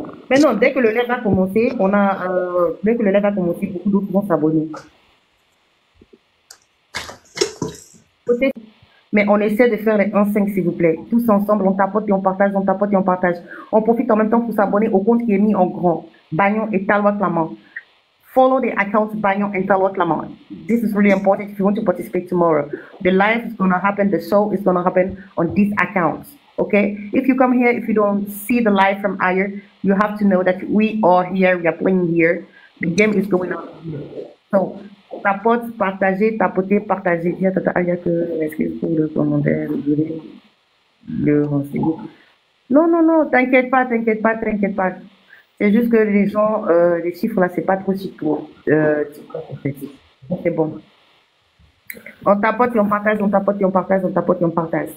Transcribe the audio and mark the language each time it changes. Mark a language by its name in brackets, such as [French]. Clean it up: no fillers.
[French] Maintenant, dès que le live va commencer, on a dès que le live va commencer, beaucoup d'autres vont s'abonner. Mais on essaie de faire les 1,5 s'il vous plaît. Tous ensemble, on tapote et on partage, on tapote et on partage. On profite en même temps pour s'abonner au compte qui est mis en grand. [English] Bagnon et Talwa Clamant. Follow the account Bayon and Talwa Clamont. This is really important if you want to participate tomorrow. The live is going to happen, the show is going to happen on this account. Okay? If you come here, if you don't see the live from Ayer, you have to know that we are here, we are playing here. The game is going on. So, [French] tapote, partagez, tapotez, partagez. Il y a Tata Ayer que pour le commentaire, le renseigner. Non, non, non, t'inquiète pas, t'inquiète pas, t'inquiète pas. C'est juste que les gens, les chiffres là, c'est pas trop si tôt. C'est bon. On tapote et on partage, on tapote et on partage, on tapote et on partage.